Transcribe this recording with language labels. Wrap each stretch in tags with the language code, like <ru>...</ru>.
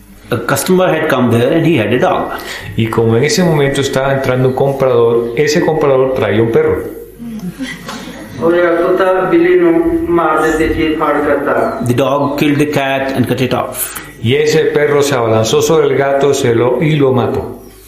<en>A customer had come there and he had a dog.</en> <es>Y como en ese momento estaba entrando un comprador, ese comprador traía un perro.</es> <en>The dog killed the cat and cut it off.</en> <es>Y ese perro se abalanzó sobre el gato y lo mató.</es>